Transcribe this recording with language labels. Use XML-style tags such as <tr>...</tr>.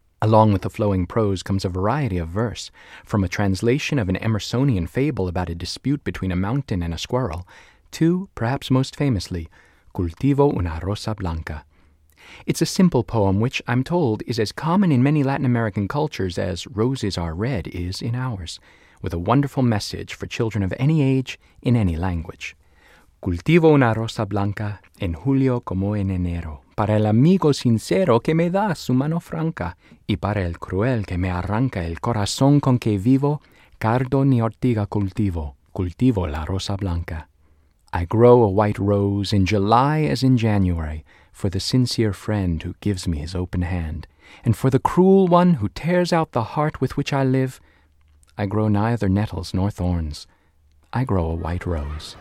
<en>Along with the flowing prose comes a variety of verse, from a translation of an Emersonian fable about a dispute between a mountain and a squirrel, to, perhaps most famously, Cultivo una Rosa Blanca. It's a simple poem which, I'm told, is as common in many Latin American cultures as Roses Are Red is in ours, with a wonderful message for children of any age in any language.</en> <es>Cultivo una rosa blanca en julio como en enero, para el amigo sincero que me da su mano franca, y para el cruel que me arranca el corazón con que vivo, cardo ni ortiga cultivo, cultivo la rosa blanca.</es> <en>I grow a white rose in July as in January, for the sincere friend who gives me his open hand, and for the cruel one who tears out the heart with which I live, I grow neither nettles nor thorns. I grow a white rose.</en>